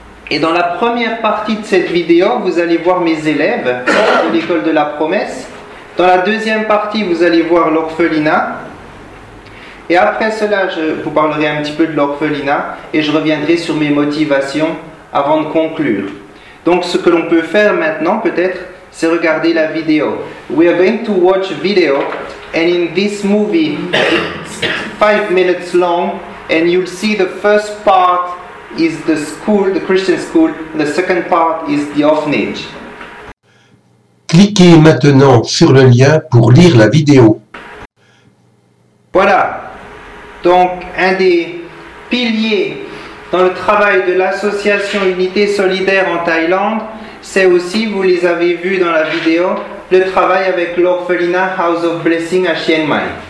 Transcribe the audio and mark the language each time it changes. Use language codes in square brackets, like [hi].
[fr] Et dans la première partie de cette vidéo, vous allez voir mes élèves de l'école de la promesse. Dans la deuxième partie, vous allez voir l'orphelinat. Et après cela, je vous parlerai un petit peu de l'orphelinat et je reviendrai sur mes motivations avant de conclure. Donc ce que l'on peut faire maintenant peut-être, c'est regarder la vidéo. [en] We are going to watch video and in this movie, 5 minutes long, and you'll see the first part is the school, the Christian school, the second part is the orphanage. [fr] Cliquez maintenant sur le lien pour lire la vidéo. Voilà. Donc, un des piliers dans le travail de l'association Unité Solidaire en Thaïlande, c'est aussi, vous les avez vus dans la vidéo, le travail avec l'orphelinat House of Blessing à Chiang Mai.